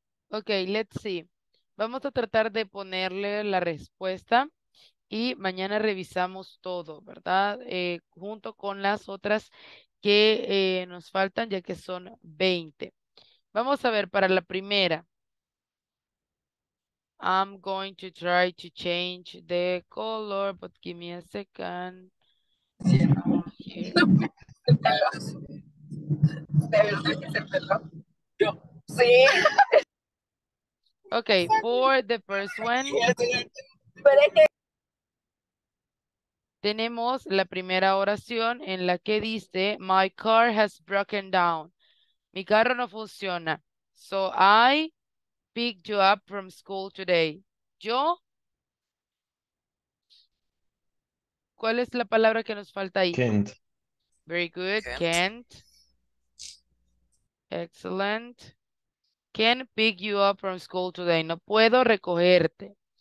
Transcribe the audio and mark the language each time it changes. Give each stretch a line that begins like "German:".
English: Ok, let's see.
Spanish: Vamos a tratar de ponerle la respuesta y mañana revisamos todo, ¿verdad? Junto con las otras que nos faltan, ya que son 20. Vamos a ver para la primera.
English: I'm going to try to change the color, but give me a second.
Spanish: Sí, sí.
English: Okay, for the first one,
Spanish: tenemos la primera oración en la que dice,
English: my car has broken down.
Spanish: Mi carro no funciona.
English: So I picked you up from school today.
Spanish: Yo. ¿Cuál es la palabra que nos falta ahí?
English: Can't. Very good. Can't. Excellent. Can't pick you up from school today.
Spanish: No puedo recogerte.